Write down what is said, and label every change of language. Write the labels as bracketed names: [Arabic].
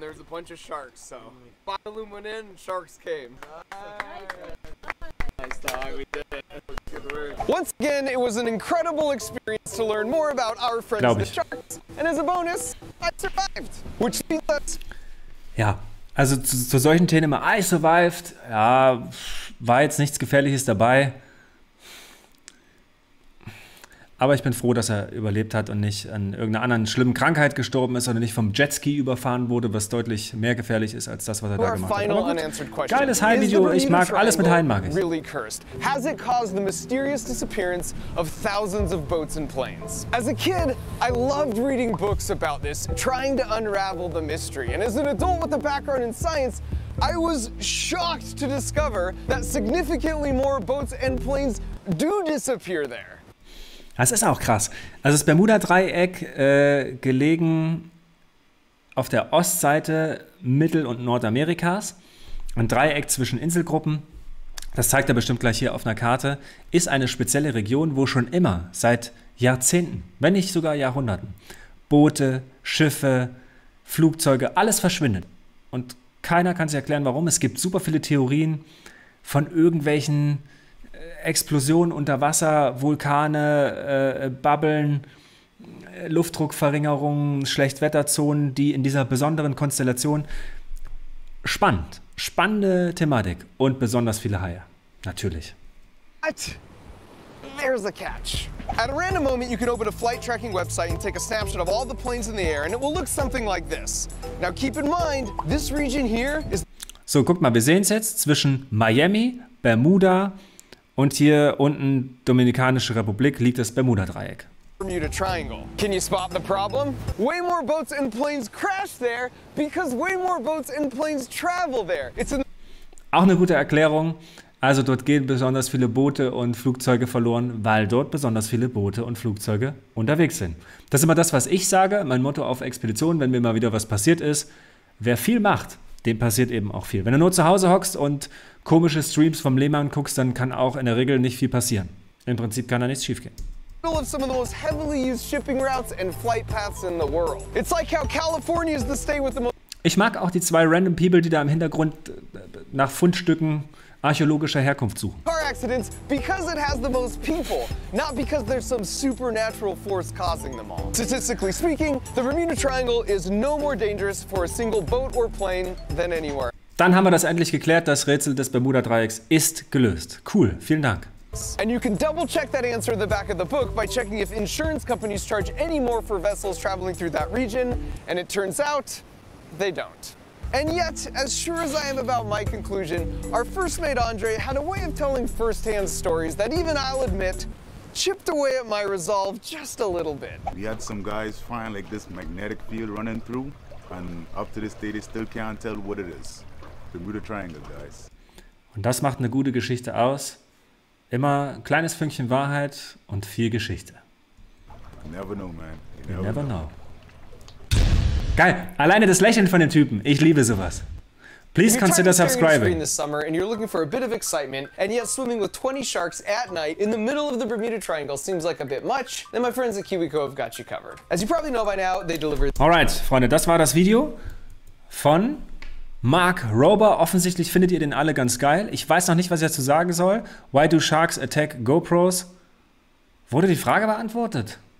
[English] There was a bunch of sharks, so Bioloom went in, sharks came. Nice dog, we did it. Once again, it was an incredible experience to learn more about our friends the sharks. And as a bonus, I survived, which means that. [German] Ja, also zu solchen Themen immer, [English] I survived. [German] Ja, war jetzt nichts Gefährliches dabei. Aber ich bin froh, dass er überlebt hat und nicht an irgendeiner anderen schlimmen Krankheit gestorben ist oder nicht vom Jetski überfahren wurde, was deutlich mehr gefährlich ist als das, was er da gemacht hat. Aber gut, geiles Hai-Video, ich mag alles mit Haien, mag ich. [English] Really cursed? Has it caused the mysterious disappearance of thousands of boats and planes? As a kid, I loved reading books about this, trying to unravel the mystery. And as an adult with a background in science, I was shocked to discover that significantly more boats and planes do disappear there. [German] Das ist auch krass. Also das Bermuda-Dreieck gelegen auf der Ostseite Mittel- und Nordamerikas. Ein Dreieck zwischen Inselgruppen, das zeigt er bestimmt gleich hier auf einer Karte, ist eine spezielle Region, wo schon immer, seit Jahrzehnten, wenn nicht sogar Jahrhunderten, Boote, Schiffe, Flugzeuge, alles verschwindet. Und keiner kann sich erklären, warum. Es gibt super viele Theorien von irgendwelchen Explosionen unter Wasser, Vulkane, Bubbeln, Luftdruckverringerungen, Schlechtwetterzonen, die in dieser besonderen Konstellation. Spannend. Spannende Thematik. Und besonders viele Haie. Natürlich. [English] What? There's a catch. At a random moment, you can open a flight tracking website and take a snapshot of all the planes in the air and it will look something like this. Now keep in mind, this region here is. [German] So, guck mal, wir sehen es jetzt zwischen Miami, Bermuda, und hier unten, Dominikanische Republik, liegt das Bermuda-Dreieck. [English] Bermuda Triangle. Can you spot the problem? Way more boats and planes crash there, because way more boats and planes travel there. [German] Auch eine gute Erklärung. Also dort gehen besonders viele Boote und Flugzeuge verloren, weil dort besonders viele Boote und Flugzeuge unterwegs sind. Das ist immer das, was ich sage, mein Motto auf Expeditionen, wenn mir mal wieder was passiert ist. Wer viel macht, dem passiert eben auch viel. Wenn du nur zu Hause hockst und komische Streams vom Lehmann guckst, dann kann auch in der Regel nicht viel passieren. Im Prinzip kann da nichts schiefgehen. [English] Some of the most heavily used shipping routes and flight paths in the world. It's like how California is the state with the most. [German] Ich mag auch die zwei random people, die da im Hintergrund nach Fundstücken archäologischer Herkunft suchen. [English] Car accidents because it has the most people, not because there's some supernatural force causing them all. Statistically speaking, the Bermuda Triangle is no more dangerous for a single boat or plane than anywhere. [German] Dann haben wir das endlich geklärt, das Rätsel des Bermuda-Dreiecks ist gelöst. Cool, vielen Dank. [English] And you can double check that answer at the back of the book by checking if insurance companies charge any more for vessels traveling through that region. And it turns out, they don't. And yet, as sure as I am about my conclusion, our first mate Andre had a way of telling firsthand stories that even I'll admit, chipped away at my resolve just a little bit. We had some guys find like this magnetic field running through and up to this day they still can't tell what it is. Bermuda Triangle, guys. [German] Und das macht eine gute Geschichte aus. Immer ein kleines Fünkchen Wahrheit und viel Geschichte. [English] You never know, man. You never know. [German] Geil, alleine das Lächeln von dem Typen. Ich liebe sowas. [English] Please consider subscribing. This summer and you're looking for a bit of excitement and yet swimming with 20 sharks at night in the middle of the Bermuda Triangle seems like a bit much. Then my friends at KiwiCo have got you covered. As you probably know by now, they deliver. [German] All right, Freunde, das war das Video von Mark Rober, offensichtlich findet ihr den alle ganz geil. Ich weiß noch nicht, was ich dazu sagen soll. [English] Why do sharks attack GoPros? [German] Wurde die Frage beantwortet?